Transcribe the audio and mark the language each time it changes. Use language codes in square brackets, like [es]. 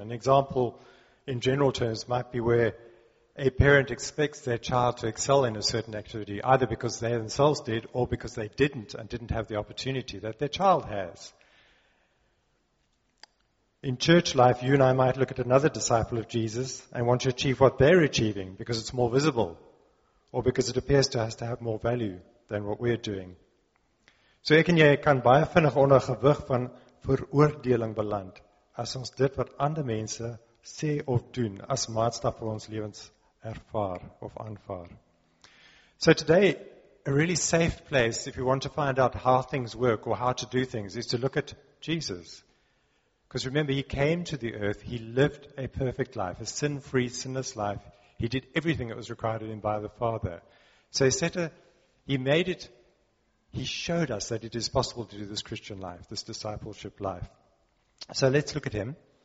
[en] An example in general terms might be where a parent expects their child to excel in a certain activity, either because they themselves did or because they didn't and didn't have the opportunity that their child has. In church life, you and I might look at another disciple of Jesus and want to achieve what they're achieving because it's more visible or because it appears to us to have more value than what we're doing. [af] So ek en jy kan baie vinnig onder gewig van veroordeling beland as ons dit wat ander mense sê of doen as maatstaf vir ons lewens ervaar of aanvaar. [en] So today, a really safe place if you want to find out how things work or how to do things is to look at Jesus. Because remember, he came to the earth, he lived a perfect life, a sin-free, sinless life. He did everything that was required of him by the Father. So he showed us that it is possible to do this Christian life, this discipleship life. So let's look at him.